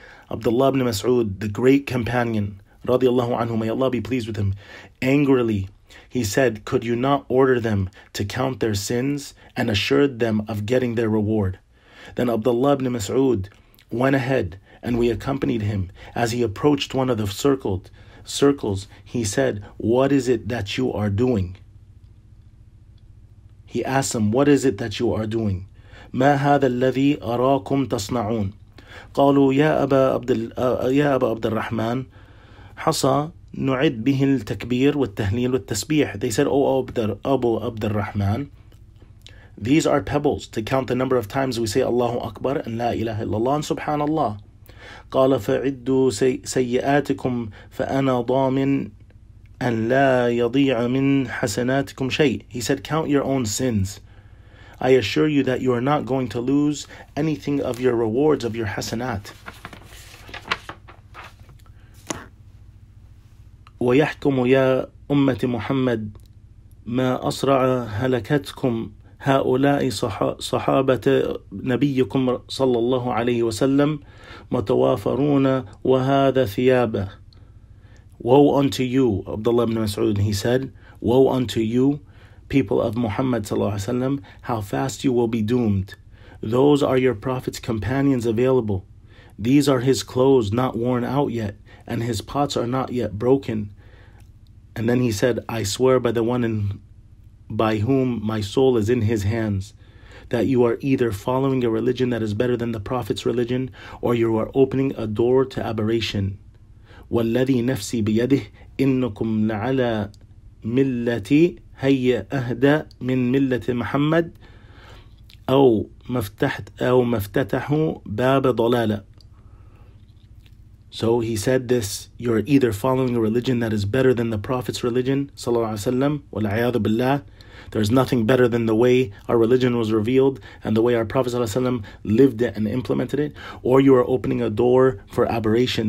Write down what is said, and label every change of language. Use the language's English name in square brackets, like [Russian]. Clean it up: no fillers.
[English] Abdullah ibn Mas'ud, the great companion, radiallahu anhu, may Allah be pleased with him, angrily, he said, could you not order them to count their sins and assured them of getting their reward? Then Abdullah ibn Mas'ud went ahead and we accompanied him. As he approached one of the circles, he said, what is it that you are doing? He asked him, what is it that you are doing? [Arabic] مَا هَذَا الَّذِي أَرَاكُمْ تَصْنَعُونَ قالوا يا أبا عبد الرحمن حصى نعد به التكبير والتهليل والتسبيح. [English] They said, Abu Abd al-Rahman, these are pebbles to count the number of times we say Allahu Akbar and La ilaha illallah and Subhanallah. [Arabic] قال فعدوا سيئاتكم فأنا ضامن أن لا يضيع من حسناتكم شيء. [English] He said, count your own sins. I assure you that you are not going to lose anything of your rewards, of your hasanat. [Arabic] وَيَحْكُمُ يَا أُمَّةِ مُحَمَّدِ مَا أَصْرَعَ هَلَكَتْكُمْ هَؤُلَاءِ صَحَابَةَ نَبِيِّكُمْ صَلَّى اللَّهُ عَلَيْهِ وَسَلَّمْ مَتَوَافَرُونَ وَهَذَا ثِيَابَهُ. [English] Woe unto you, Abdullah ibn Mas'ud, he said, woe unto you, people of Muhammad sallallahu alaihi wasallam, how fast you will be doomed. Those are your prophet's companions available. These are his clothes not worn out yet, and his pots are not yet broken. And then he said, I swear by the one by whom my soul is in his hands, that you are either following a religion that is better than the prophet's religion, or you are opening a door to aberration. [Arabic] وَالَّذِي نَفْسِي بِيَدِهِ إِنَّكُمْ لَعَلَى مِلَّتِي هي أهدى من ملة محمد أو مفتتح باب ضلالة. [English] So he said this, you're either following a religion that is better than the Prophet's religion, صلى الله عليه وسلم, [Arabic] والعياذ بالله, [English] there's nothing better than the way our religion was revealed and the way our Prophet, صلى الله عليه وسلم, lived it and implemented it, or you are opening a door for aberration.